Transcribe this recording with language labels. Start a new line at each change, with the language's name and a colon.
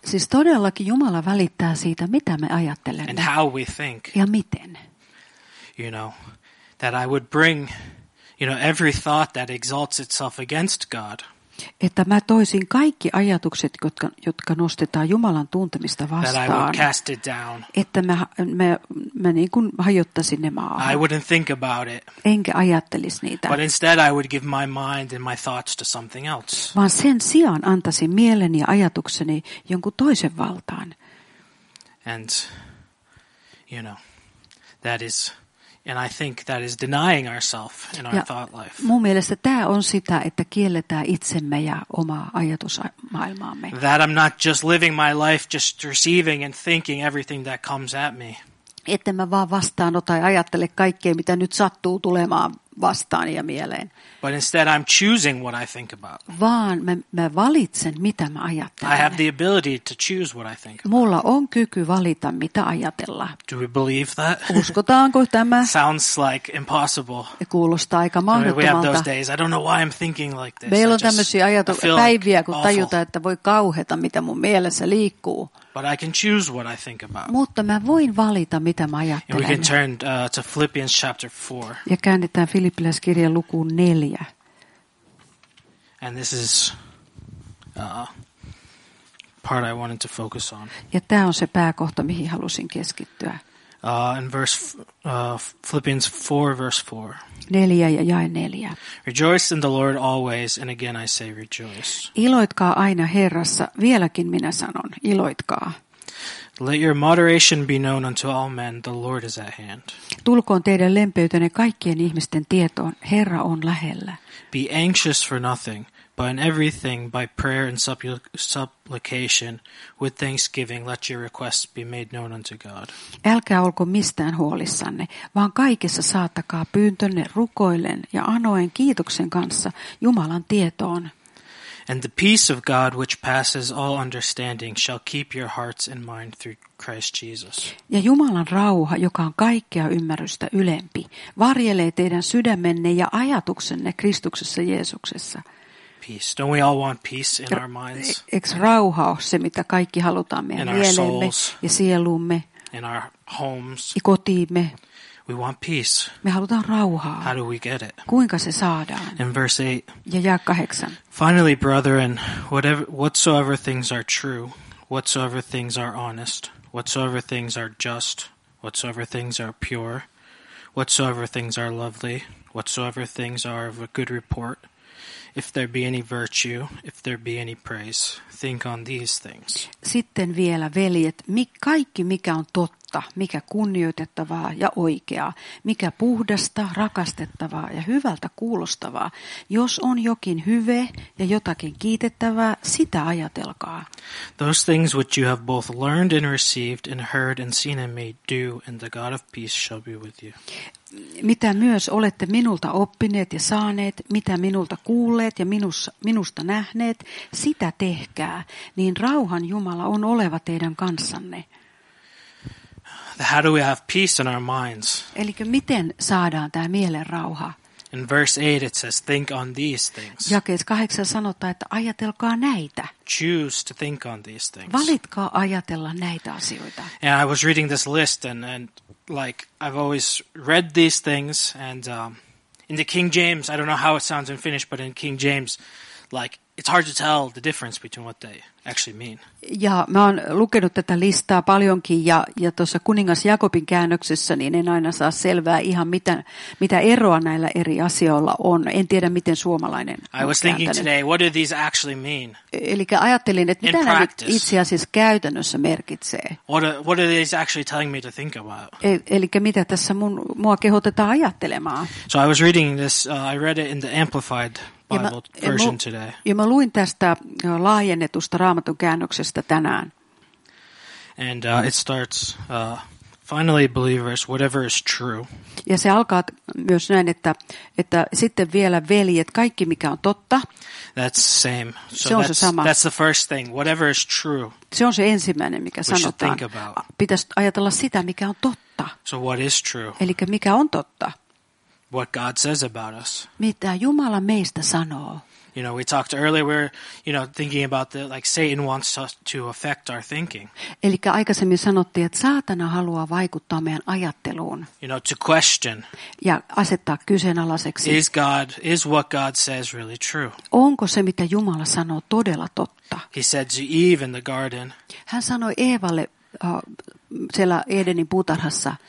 Finnish: Siis todellakin Jumala välittää siitä, mitä me ajattelemme.
English: And how we think.
Finnish: Ja miten.
English: You know, that I would bring, you know, every thought that exalts itself against God.
Finnish: Että mä toisin kaikki ajatukset, jotka nostetaan Jumalan tuntemista vastaan.
English: That I would cast it down.
Finnish: Että mä niin kuin hajottaisin ne maahan.
English: I wouldn't think about it.
Finnish: Enkä ajattelisi niitä.
English: But instead I would give my mind and my thoughts to something else.
Finnish: Vaan sen sijaan antaisin mieleni ja ajatukseni jonkun toisen valtaan.
English: And, you know, that is... And I think that is denying ourselves in our thought life.
Finnish: Mun mielestä tää on sitä, että kielletään itsemme ja omaa ajatusmaailmaamme.
English: That I'm not just living my life just receiving and thinking everything that comes at me.
Finnish: Että mä vaan vastaanotan ja ajattele kaikkea, mitä nyt sattuu tulemaan vastaan ja mieleen.
English: But instead I'm choosing what I think about.
Finnish: Vaan mä valitsen, mitä mä ajattelen.
English: I have the ability to choose what I think about.
Finnish: Mulla on kyky valita, mitä ajatella.
English: Do we believe that?
Finnish: Uskotaanko tämä?
English: Sounds like impossible.
Finnish: Kuulostaa aika mahdottomalta.
English: We have those days. I don't know why I'm thinking like this.
Finnish: Meillä on tämmöisiä päiviä, kun tajuta, että voi kauheata, mitä mun mielessä liikkuu.
English: But I can choose what I think about.
Finnish: Mutta mä voin valita, mitä mä ajattelen.
English: And we can turn to Philippians chapter 4.
Finnish: Ja käännetään Filippiläiskirjan lukuun 4.
English: And this is part I wanted to focus on.
Finnish: Ja tää on se pääkohta, mihin halusin keskittyä.
English: In verse Philippians 4 verse 4.
Finnish: 4 ja jae 4.
English: Rejoice in the Lord always, and again I say rejoice.
Finnish: Iloitkaa aina Herrassa, vieläkin minä sanon, iloitkaa.
English: Let your moderation be known unto all men, the Lord is at hand.
Finnish: Tulkoon teidän lempeytenne kaikkien ihmisten tietoon, Herra on lähellä.
English: Be anxious for nothing, but in everything by prayer and supplication with thanksgiving let your requests be made known unto God.
Finnish: Älkää olko mistään huolissanne, vaan kaikessa saattakaa pyyntönne rukoillen ja anoen kiitoksen kanssa Jumalan tietoon.
English: And the peace of God which passes all understanding shall keep your hearts and mind through Christ Jesus.
Finnish: Ja Jumalan rauha, joka on kaikkea ymmärrystä ylempi, varjelee teidän sydämenne ja ajatuksenne Kristuksessa Jeesuksessa.
English: Peace. Don't we all want peace in our minds?
Finnish: Eks rauha ole se, mitä kaikki halutaan meidän mielemme ja sieluumme.
English: In our homes.
Finnish: Ja kotiimme.
English: We want peace.
Finnish: Me halutaan rauhaa.
English: How do we get it?
Finnish: Kuinka se saadaan?
English: In verse 8.
Finnish: Ja jae 8.
English: Finally, brethren, whatsoever things are true, whatsoever things are honest, whatsoever things are just, whatsoever things are pure, whatsoever things are lovely, whatsoever things are of a good report, if there be any virtue, if there be any praise, think on these things.
Finnish: Sitten vielä, veljet, kaikki mikä on totta, mikä kunnioitettavaa ja oikeaa, mikä puhdasta, rakastettavaa ja hyvältä kuulostavaa. Jos on jokin hyve ja jotakin kiitettävää, sitä ajatelkaa.
English: Those things which you have both learned and received and heard and seen in me, do, and the God of peace shall be with you.
Finnish: Mitä myös olette minulta oppineet ja saaneet, mitä minulta kuulleet ja minusta nähneet, sitä tehkää, niin rauhan Jumala on oleva teidän kanssanne.
English: How do we have peace in our minds?
Finnish: Elikkä miten saadaan tämä mielen rauha?
English: In verse 8 it says, think on these things.
Finnish: Jakeessa 8 sanotaan, että ajatelkaa näitä.
English: Choose to think on these things.
Finnish: Valitkaa ajatella näitä asioita.
English: And I was reading this list and like I've always read these things and in the King James, I don't know how it sounds in Finnish, but in King James, like it's hard to tell the difference between what they actually mean.
Finnish: Ja mä oon lukenut tätä listaa paljonkin ja tuossa kuningas Jakobin käännöksessä, niin en aina saa selvää ihan mitä eroa näillä eri asioilla on. En tiedä miten suomalainen.
English: I was thinking today, what do these actually mean?
Finnish: Elikkä ajattelin, että mitä nämä itse asiassa käytännössä merkitsee.
English: What are these actually telling me to think about?
Finnish: Elikkä mitä tässä mua kehotetaan ajattelemaan?
English: So I was reading this, I read it in the Amplified Bible version today.
Finnish: Ja mä luin tästä laajennetusta Raamatun käännöksestä tänään.
English: And it starts finally believers whatever is true.
Finnish: Ja se alkaa myös näin että sitten vielä veljet kaikki mikä on totta.
English: That's same.
Finnish: So se on
English: that's,
Finnish: se sama.
English: That's the first thing whatever is true.
Finnish: Se on se ensimmäinen mikä
English: we
Finnish: sanotaan. Pitäisi ajatella sitä mikä on totta.
English: So what is true?
Finnish: Elikkä mikä on totta?
English: what God says about us.
Finnish: Mitä Jumala meistä sanoo?
English: You know, we talked earlier, we're, you know, thinking about the, like, Satan wants to affect our thinking.
Finnish: Elikkä aikaisemmin sanottiin, että saatana haluaa vaikuttaa meidän ajatteluun.
English: You know, to question.
Finnish: Ja asettaa kyseenalaiseksi.
English: Is what God says really true?
Finnish: Onko se, mitä Jumala sanoo, todella totta?
English: He said to Eve in the garden.
Finnish: Hän sanoi Eevalle siellä Edenin puutarhassa.